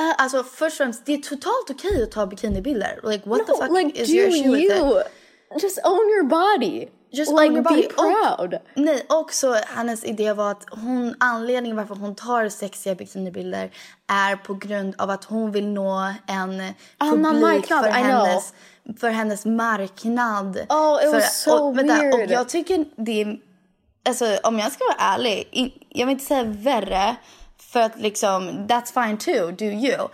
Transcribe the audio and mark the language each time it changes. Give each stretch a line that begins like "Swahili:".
Swedish: Alltså, först och främst, det är totalt okej att ta bikinibilder.
English: Like, what the fuck like, is your issue with it? Just own your body. Just like, own your body. Be proud.
Swedish: Nej, också hennes idé var att hon, anledningen varför hon tar sexiga bikinibilder är på grund av att hon vill nå en publik för hennes, marknad.
English: Oh, it was so weird.
Swedish: Och jag tycker det är, alltså om jag ska vara ärlig, jag vill inte säga värre, för att liksom,
English: that's fine too, do you.